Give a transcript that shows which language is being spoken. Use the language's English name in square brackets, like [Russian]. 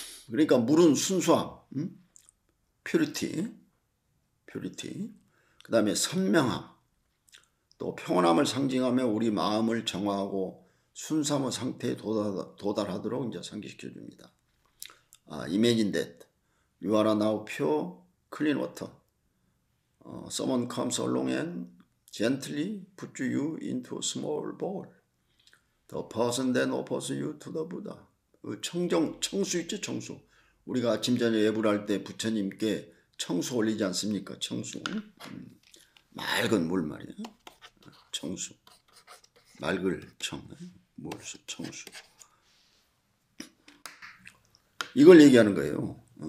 [Korean] 그러니까 물은 순수함, 퓨리티. 그다음에 선명함. 또 평온함을 상징하며 우리 마음을 정화하고 순수함의 상태에 도달하도록 이제 상기시켜 줍니다. [English] 이매진 댓 You are now pure, clean water. Someone comes along and gently puts you into a small bowl. The person then offers you to the Buddha. [Korean] 청수 있죠, 청수. 우리가 아침, 저녁 예불할 때 부처님께 청수 올리지 않습니까? 청수. 맑은 물 말이야. 청수. 맑을 청. 물수, 청수. 이걸 얘기하는 거예요.